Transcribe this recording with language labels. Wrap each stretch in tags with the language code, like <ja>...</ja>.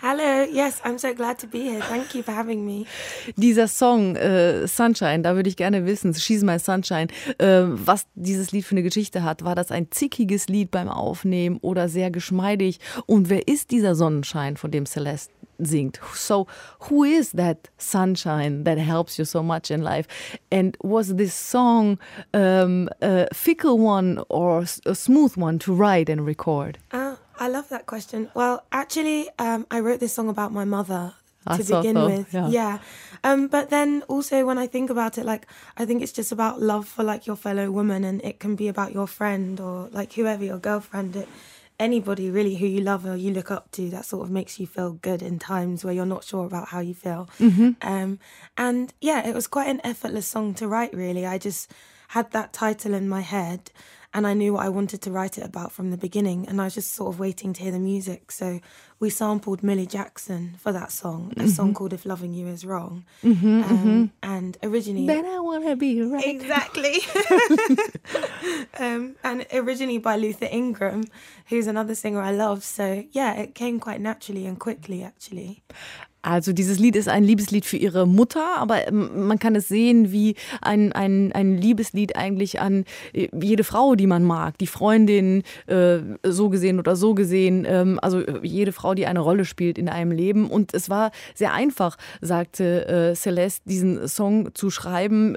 <en>Hello. Yes, I'm so glad to be here. Thank you for having me.</en> <de>Dieser Song Sunshine, da würde ich gerne wissen,</de> <en>She's my sunshine,</en> <de>was dieses Lied für eine Geschichte hat. War das ein zickiges Lied beim Aufnehmen oder sehr geschmeidig? Und wer ist dieser Sonnenschein, von dem Celeste singt?</de> <en>So, who is that sunshine that helps you so much in life? And was this song a fickle one or a smooth one to write and record? I love that question. Well, actually, I wrote this song about my mother to begin with. But then also when I think about it, like, I think it's just about love for, like, your fellow woman, and it can be about your friend or, like, whoever, your girlfriend, anybody really who you love or you look up to, that sort of makes you feel good in times where you're not sure about how you feel. Mm-hmm. And yeah, it was quite an effortless song to write, really. I just had that title in my head and I knew what I wanted to write it about from the beginning, and I was just sort of waiting to hear the music. So we sampled Millie Jackson for that song, a song called If Loving You Is Wrong. And originally... Then I Wanna Be Right. Exactly. and originally by Luther Ingram, who's another singer I love. So yeah, it came quite naturally and quickly, actually.</en> <de>Also dieses Lied ist ein Liebeslied für ihre Mutter, aber man kann es sehen wie ein Liebeslied eigentlich an jede Frau, die man mag, die Freundin, so gesehen oder so gesehen, also jede Frau, die eine Rolle spielt in einem Leben. Und es war sehr einfach, sagte Celeste, diesen Song zu schreiben.</de>